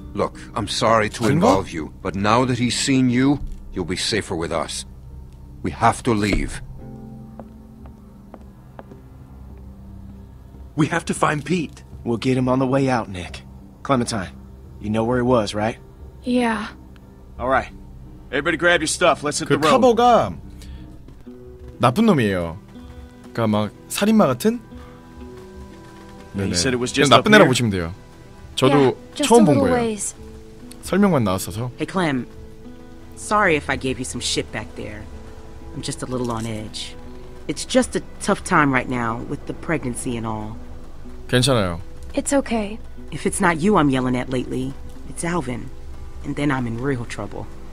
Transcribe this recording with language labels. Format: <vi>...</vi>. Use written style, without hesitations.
<en>Look, I'm sorry to</en> <ko>아닌가?</ko> <en>involve you, but now that he's seen you, you'll be safer with us. We have to leave. We have to find Pete. We'll get him on the way out, Nick. Clementine, you know where he was, right? Yeah. All right. Everybody grab your stuff. Let's hit the road.</en> <ko>그 카보가 나쁜 놈이에요. 그러니까 막 살인마 같은? 네네. 그냥 나쁜 애라고 보시면 돼요. 저도 처음 본 거예요. 설명만 나왔어서.</ko> <en>Hey, Clem. Sorry if I gave you some shit back there. I'm just a little on edge. It's just a tough time right now with the pregnancy and all.</en> <ko>괜찮아요.</ko> <en>It's okay. If it's not you I'm yelling at lately, it's Alvin. And then I'm in real trouble.</en>